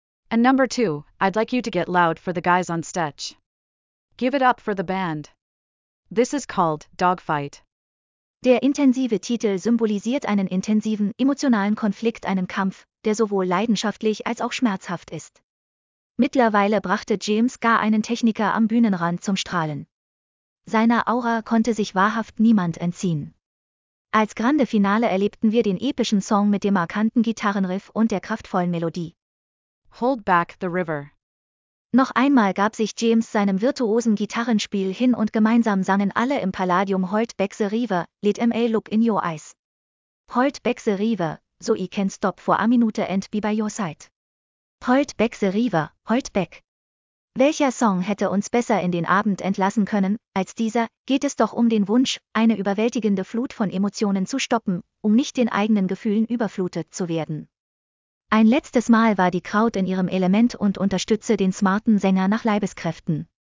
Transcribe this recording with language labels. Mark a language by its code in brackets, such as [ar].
[en] And number two, I'd like you to get loud for the guys on stage. Give it up for the band. This is called Dogfight. [de] Der intensive Titel symbolisiert einen intensiven, emotionalen Konflikt, einen Kampf, der sowohl leidenschaftlich als auch schmerzhaft ist. Mittlerweile brachte James gar einen Techniker am Bühnenrand zum Strahlen. Seiner Aura konnte sich wahrhaft niemand entziehen. Als Grande Finale erlebten wir den epischen Song mit dem markanten Gitarrenriff und der kraftvollen Melodie. [en] Hold back the river. [de] Noch einmal gab sich James seinem virtuosen Gitarrenspiel hin und gemeinsam sangen alle im Palladium [en] Hold back the river, let me look in your eyes. Hold back the river, so I can stop for a minute and be by your side. Hold back the river, hold back. [de] Welcher Song hätte uns besser in den Abend entlassen können, als dieser? Geht es doch um den Wunsch, eine überwältigende Flut von Emotionen zu stoppen, um nicht den eigenen Gefühlen überflutet zu werden. Ein letztes Mal war die Kraut in ihrem Element und unterstützte den smarten Sänger nach Leibeskräften.